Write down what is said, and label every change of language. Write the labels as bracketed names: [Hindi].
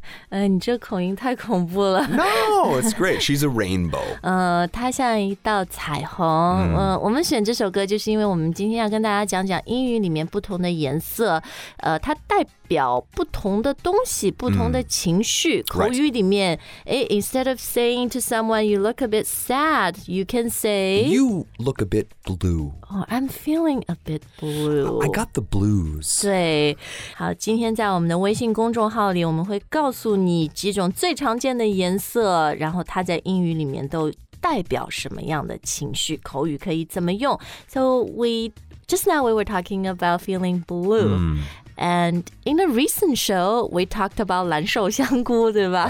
[Chinese] 你这口音太恐怖了。 [English] No, it's great. She's a rainbow. [Chinese] 她像一道彩虹。我们选这首歌就是因为我们今天要跟大家讲讲英语里面不同的颜色。它代表不同的东西，不同的情绪。口语里面、 [English] right. Instead of saying to someone, you look a bit sad, you can say, you look a bit blue. Oh, I'm feeling a bit blue. I got the blues. [Chinese] 对。好，今天在我们的微信公众号里我们会告诉你几种最常见的颜色，然后它在英语里面都代表什么样的情绪，口语可以怎么用。 [English] So just now we were talking about feeling blue、And in a recent show, we talked about [Chinese] 蓝瘦香菇，对吧？